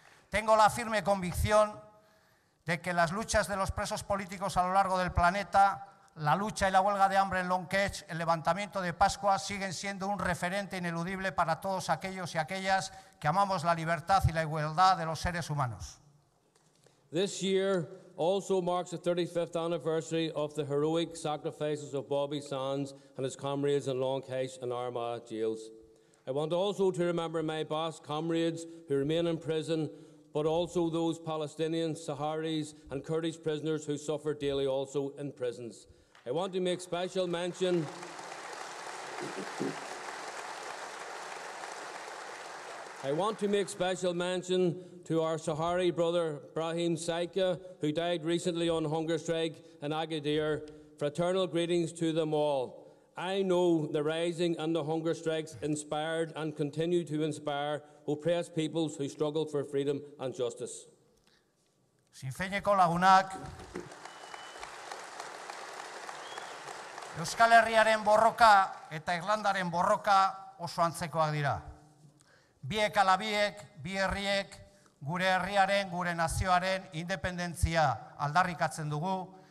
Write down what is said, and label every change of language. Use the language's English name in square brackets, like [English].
[Spanish] Tengo la firme convicción de que las luchas de los presos políticos a lo largo del planeta, la lucha y la huelga de hambre en Long Ketch, el levantamiento de Pascua, siguen siendo un referente ineludible para todos aquellos y aquellas que amamos la libertad y la igualdad de los seres humanos. [English] This year also marks the 35th anniversary of the heroic sacrifices of Bobby Sands and his comrades in Long Ketch and Armagh jails. I want also to remember my Basque comrades who remain in prison, but also those Palestinians, Saharis, and Kurdish prisoners who suffer daily also in prisons. I want to make special mention. I want to make special mention to our Sahari brother, Brahim Saika, who died recently on hunger strike in Agadir. Fraternal greetings to them all. I know the rising and the hunger strikes inspired and continue to inspire oppressed peoples who struggle for freedom and justice. [Basque] Sinn Féineko lagunak, Euskal Herriaren borroka eta Irlandaren borroka oso antzekoak dira. Biek ala biek, bi herriek, gure herriaren, gure nazioaren independentzia aldarrikatzen dugu,